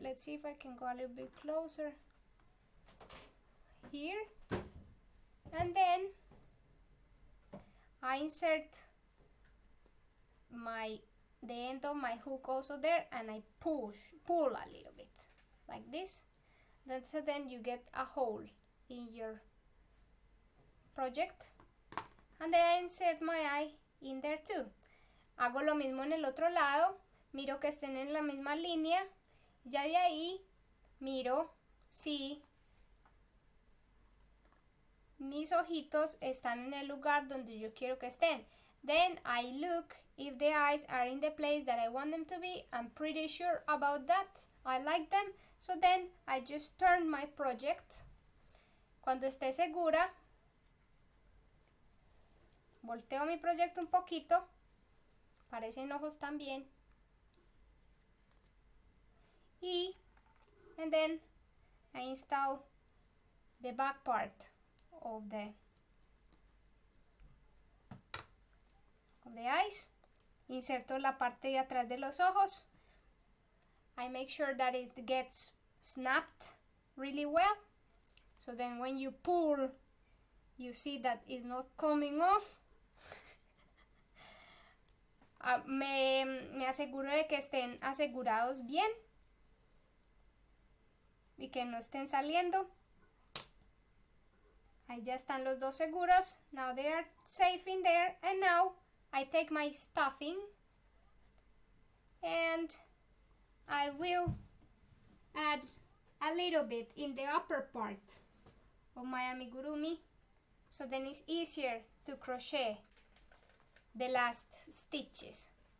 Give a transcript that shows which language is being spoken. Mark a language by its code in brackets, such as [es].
[en] Let's see if I can go a little bit closer here, and then I insert the end of my hook also there, and I pull a little bit like this. Then you get a hole in your project, and then I insert my eye in there too. [es] Hago lo mismo en el otro lado, miro que estén en la misma línea, ya de ahí miro si mis ojitos están en el lugar donde yo quiero que estén. [en] Then I look if the eyes are in the place that I want them to be. I'm pretty sure about that. I like them. So then I just turn my project. [es] Cuando esté segura, volteo mi proyecto un poquito. Parecen ojos también. [en] And then I install the back part of the eyes, [es] inserto la parte de atrás de los ojos. [en] I make sure that it gets snapped really well, so then when you pull, you see that it's not coming off. [es] me aseguro de que estén asegurados bien y que no estén saliendo. Ahí ya están los dos seguros. [en] Now they are safe in there, and now I take my stuffing and I will add a little bit in the upper part of my amigurumi, so then it's easier to crochet the last stitches.